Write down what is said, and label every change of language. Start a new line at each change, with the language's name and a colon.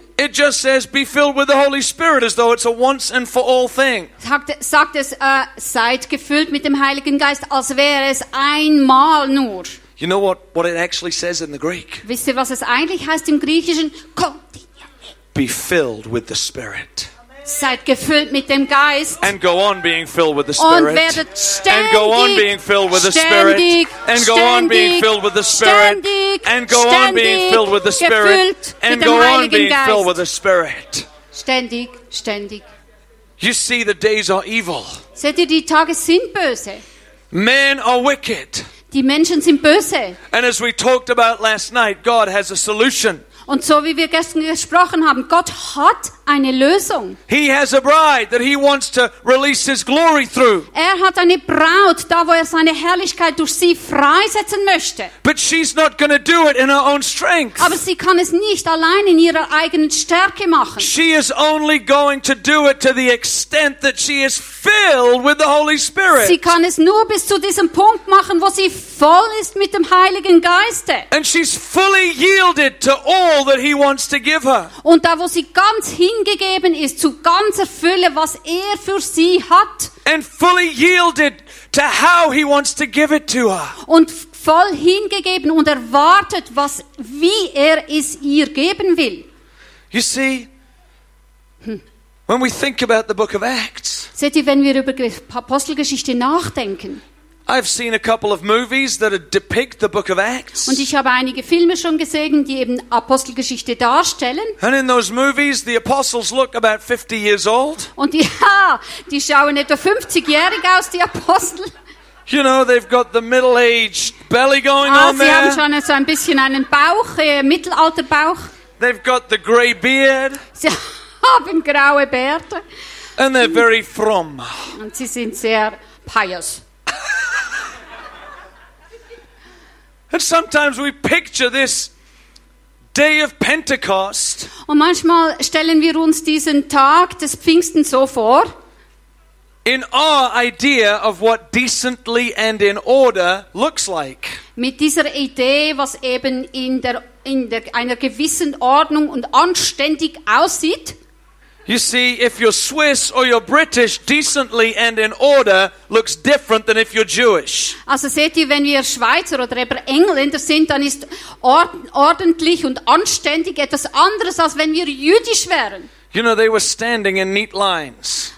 English: it just says, be filled with the Holy Spirit as though it's a once and for all thing.
German: Sagt es, seid gefüllt mit dem Heiligen Geist, als wäre es einmal nur.
English: You know what it actually says in the Greek?
German: Wisst ihr, was es eigentlich heißt im Griechischen?
English: Continually. Be filled with the Spirit.
German: Seid gefüllt mit dem Geist.
English: And go on being filled with the Spirit.
German: Und werdet ständig.
English: And go on being filled with the Spirit.
German: Ständig.
English: And go on being filled with the Spirit.
German: Ständig.
English: And go on being filled with the Spirit. And go on being filled with the Spirit.
German: Ständig. Ständig.
English: You see, the days are evil.
German: Seht ihr, die Tage sind böse.
English: Men are wicked.
German: Die Menschen sind böse.
English: And as we talked about last night, God has a solution.
German: Und so wie wir gestern gesprochen haben, Gott hat eine Lösung.
English: He has a bride that he wants to release his glory through.
German: Er hat eine Braut, da wo er seine Herrlichkeit durch sie freisetzen möchte.
English: But she's not going to do it in her own strength.
German: Aber sie kann es nicht allein in ihrer eigenen Stärke machen.
English: She is only going to do it to the extent that she is filled with the Holy Spirit.
German: Sie kann es nur bis zu diesem Punkt machen, wo sie voll ist mit dem Heiligen Geiste.
English: And she's fully yielded to all all that he wants to give her.
German: Und da, wo sie ganz hingegeben ist zu ganzer Fülle, was für sie hat.
English: And fully yielded to how he wants to give it to her.
German: Und voll hingegeben und erwartet, was wie es ihr geben will.
English: You see, when we think about the book of Acts,
German: seht ihr, wenn wir über Apostelgeschichte nachdenken,
English: I've seen a couple of movies that depict the book of Acts.
German: Und ich habe einige Filme schon gesehen, die eben Apostelgeschichte darstellen.
English: And in those movies, the apostles look about 50 years old.
German: Und ja, die schauen etwa 50-jährig aus, die Apostel.
English: You know, they've got the middle-aged belly going on there.
German: Sie haben schon so ein bisschen einen Bauch, Mittelalterbauch.
English: They've got the grey beard.
German: Sie haben graue Bärte.
English: And they're very from.
German: Und sie sind sehr pious.
English: And sometimes we picture this day of Pentecost.
German: Und manchmal stellen wir uns diesen Tag des Pfingsten so vor.
English: In our idea of what decently and in order looks like.
German: Mit dieser Idee, was eben in der einer gewissen Ordnung und anständig aussieht.
English: You see, if you're Swiss or you're British, decently and in order looks different than if you're Jewish.
German: Also seht ihr, wenn wir Schweizer oder eben Engländer sind, dann ist ordentlich und anständig etwas anderes, als wenn wir jüdisch wären.
English: You know, they were standing in neat lines.